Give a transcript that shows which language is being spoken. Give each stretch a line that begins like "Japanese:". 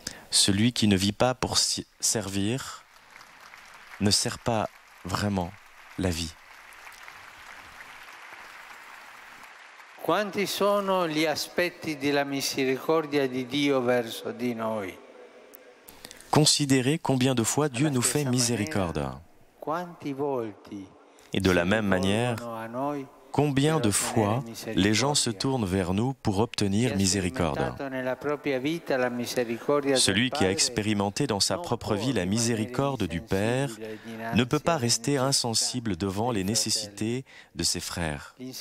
French: Celui qui ne vit pas pour servir ne sert pas vraiment la vie.
Italian: Quanti sono gli aspetti della misericordia di Dio verso di noi?
French: Considérez combien de fois Dieu nous fait miséricorde.
Italian: Quanti volte?
French: Et de la même manière, combien de fois les gens se tournent vers nous pour obtenir miséricorde? Celui qui a expérimenté dans sa propre vie la miséricorde du Père ne peut pas rester insensible devant les nécessités de ses frères.